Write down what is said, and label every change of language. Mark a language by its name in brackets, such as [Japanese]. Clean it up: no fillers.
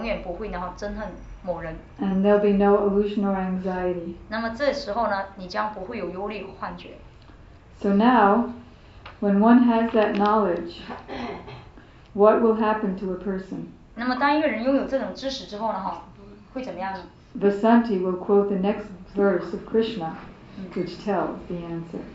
[Chinese] 那么你将学会去尊重所有众生永远不会憎恨某人。 [English] And there'll be no illusion or anxiety. [Chinese] 那么这时候你将不会有忧虑幻觉。 [English] So now, when one has that knowledge, what will happen to a person? [Chinese] 那么当一个人拥有这种知识之后会怎么样呢? [English] Vasanti will quote the next verse of Krishna, which tells the answer.